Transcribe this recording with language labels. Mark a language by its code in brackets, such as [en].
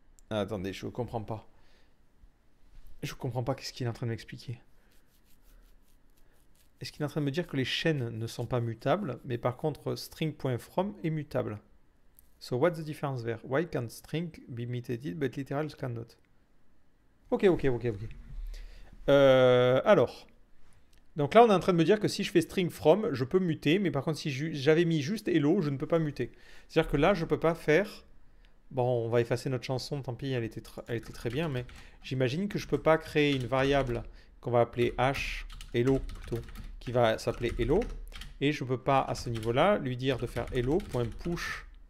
[fr] Attendez, je ne comprends pas. Je comprends pas qu'est-ce qu'il est en train de m'expliquer. Est-ce qu'il est en train de me dire que les chaînes ne sont pas mutables, mais par contre string.from est mutable? [en] So what's the difference there? Why can't string be mutated but literals cannot? Ok. [fr] Alors, donc là on est en train de me dire que si je fais string from, je peux muter, mais par contre si j'avais mis juste hello, je ne peux pas muter. C'est-à-dire que là je peux pas faire. Bon, on va effacer notre chanson, tant pis, elle était très bien, mais j'imagine que je ne peux pas créer une variable qu'on va appeler h, hello plutôt, qui va s'appeler hello, et je ne peux pas à ce niveau-là lui dire de faire hello.push.